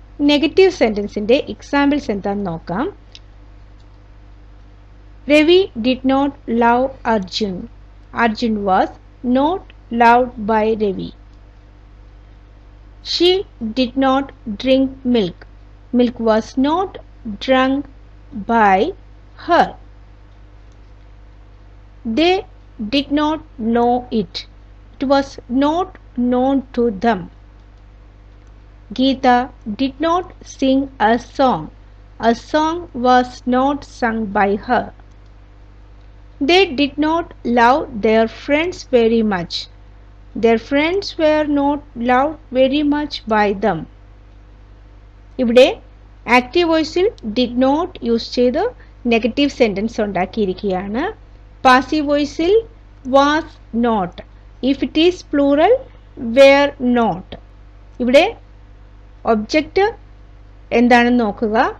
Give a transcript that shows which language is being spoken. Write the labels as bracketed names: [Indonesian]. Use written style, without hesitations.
[Malayalam] Negative സെൻറ്റൻസിൻ്റെ examples എന്താന്ന് നോക്കാം. [English] Ravi did not love Arjun. Arjun was not loved by Ravi. She did not drink milk. Milk was not drunk by her. They did not know it. It was not known to them. Geeta did not sing a song. A song was not sung by her. They did not love their friends very much. Their friends were not loved very much by them. [Malayalam] ഇവിടെ active വോയിസിൽ did not use ചെയ്ത് negative sentence ഉണ്ടാക്കിയിരിക്കുകയാണ്. [English] Passive വോയിസിൽ was not, if it is plural were not. [Malayalam] ഇവിടെ object എന്താണെന്ന് നോക്കുക.